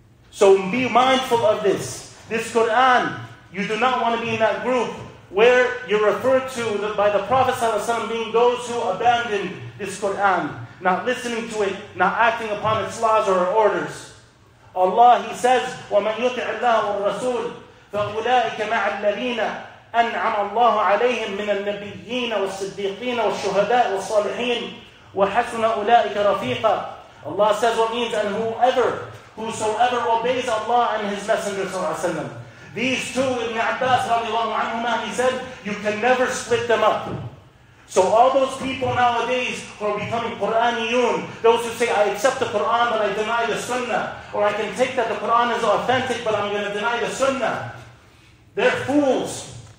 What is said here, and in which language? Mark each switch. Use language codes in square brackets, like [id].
[en] So be mindful of this. This Quran, you do not want to be in that group where you're referred to by the Prophet ﷺ being those who abandoned this Quran, not listening to it, not acting upon its laws or orders. Allah, He says, [ar] وَمَنْ يُطِعِ اللَّهَ وَالرَّسُولَ فَأُولَٰئِكَ مَعَ الَّذِينَ أَنْعَمَ اللَّهُ عَلَيْهِمْ مِنَ النَّبِيِّينَ وَالصِّدِّيقِينَ وَالشُّهَدَاءِ وَالصَّالِحِينَ وَحَسُنَ أُولَٰئِكَ رَفِيقًا. [en] Allah says what means, and whosoever obeys Allah and His Messenger صلى الله عليه وسلم. These two, Ibn Abbas رضي الله عنهما, he said, you can never split them up. So all those people nowadays who are becoming Qur'aniyun, those who say, I accept the Qur'an but I deny the Sunnah, or I can take that the Qur'an is authentic but I'm going to deny the Sunnah, they're fools.